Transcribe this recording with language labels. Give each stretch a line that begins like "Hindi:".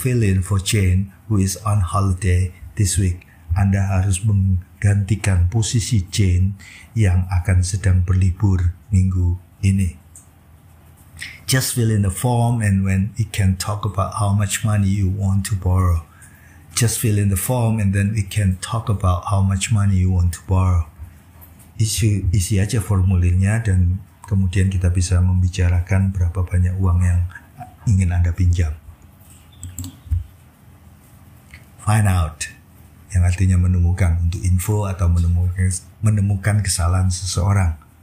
English: You will have to fill in for Jane who is on holiday this week.
Indonesian: Anda harus menggantikan posisi Jane yang akan sedang berlibur minggu ini.
English: Just fill in the form and when we can talk about how much money you want to borrow. Just fill in the form and then we can talk about how much money you want to borrow.
Indonesian: Isi aja formulirnya dan kemudian kita bisa membicarakan berapa banyak uang yang ingin Anda pinjam. Find out, yang artinya menemukan, untuk info atau menemukan kesalahan seseorang.